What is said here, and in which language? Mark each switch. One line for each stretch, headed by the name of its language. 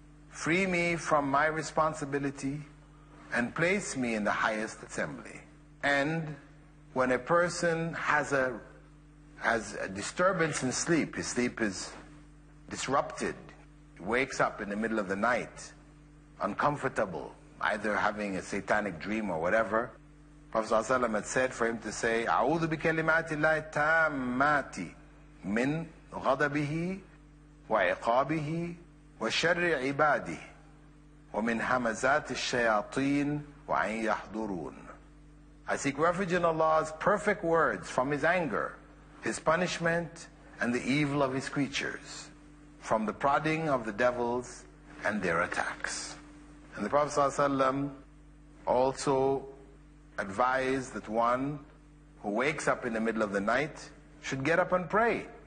English: Free me from my responsibility and place me in the highest assembly. And when a person has a disturbance in sleep, his sleep is disrupted, he wakes up in the middle of the night, uncomfortable, either having a satanic dream or whatever, Prophet had said for him to say,
Arabic: أعوذ بكلمات الله التامات من غضبه وعقابه وشر عباده ومن همزات الشياطين وعن يحضرون.
English: I seek refuge in Allah's perfect words from His anger, His punishment, and the evil of His creatures, from the prodding of the devils and their attacks. And the Prophet ﷺ also advised that one who wakes up in the middle of the night should get up and pray.